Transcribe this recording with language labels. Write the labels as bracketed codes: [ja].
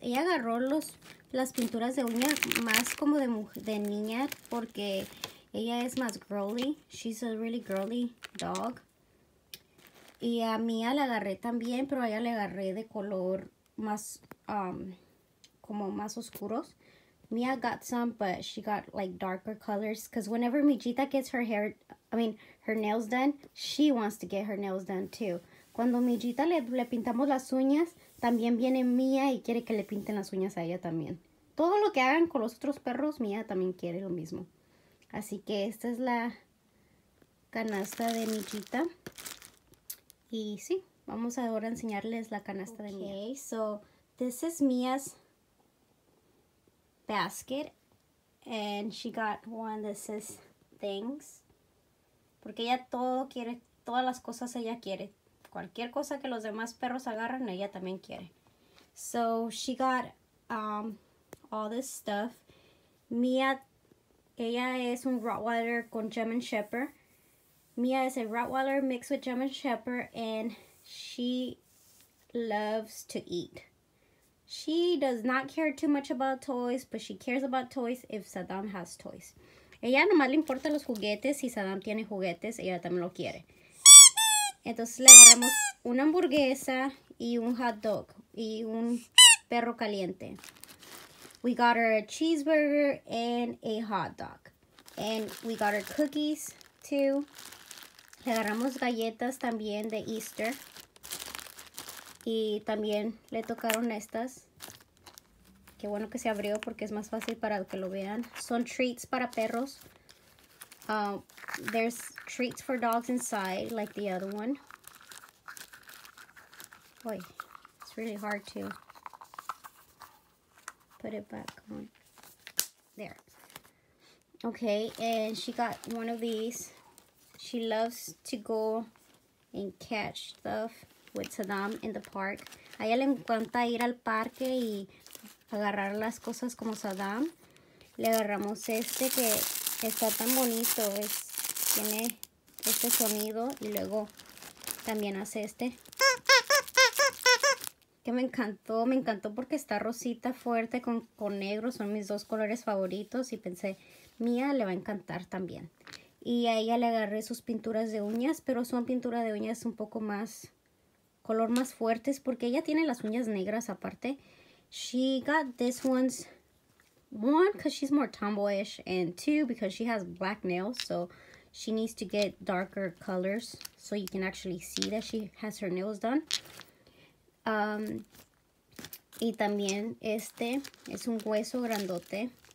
[es] Ella agarró las pinturas de uña más como de niña porque ella es más girly. [en] She's a really girly dog. [es] Y a Mia la agarré también, pero a ella le agarré de color más como más oscuros. [en] Mia got some, but she got like darker colors. Because whenever Mijita gets her hair, I mean, her nails done, she wants to get her nails done too. [es] Cuando Mijita le pintamos las uñas, también viene Mia y quiere que le pinten las uñas a ella también. Todo lo que hagan con los otros perros, Mia también quiere lo mismo. Así que esta es la canasta de Mijita. Y sí, vamos ahora a enseñarles la canasta de Mia. [en] Okay, so this is Mia's basket, and she got one that says things. [es] Porque ella todo quiere, todas las cosas ella quiere. Cualquier cosa que los demás perros agarran, ella también quiere. [en] So she got all this stuff. [es] Mia, ella es un Rottweiler con German Shepherd. [en] Mia is a Rottweiler mixed with German Shepherd, and she loves to eat. She does not care too much about toys, but she cares about toys if Saddam has toys. [es] Ella nomás le importa los juguetes. Si Saddam tiene juguetes, ella también lo quiere. Entonces le agarramos una hamburguesa y un hot dog y un perro caliente. [en] We got her a cheeseburger and a hot dog. And we got her cookies too. [es] Le agarramos galletas también de Easter. Y también le tocaron estas. Qué bueno que se abrió porque es más fácil para que lo vean. Son treats para perros. [en] There's treats for dogs inside, like the other one. Boy, it's really hard to put it back on. There. Okay, and she got one of these. She loves to go and catch stuff with Saddam in the park. [es] A ella le encanta ir al parque y agarrar las cosas como Saddam. Le agarramos este que está tan bonito, tiene este sonido y luego también hace este. Que me encantó porque está rosita fuerte con negro, son mis dos colores favoritos y pensé, Mía le va a encantar también. Y a ella le agarré sus pinturas de uñas, pero son pintura de uñas un poco más, color más fuertes porque ella tiene las uñas negras aparte. [en] She got this one's one because she's more tomboyish and two because she has black nails, so she needs to get darker colors so you can actually see that she has her nails done. [es] Y también este es un hueso grandote.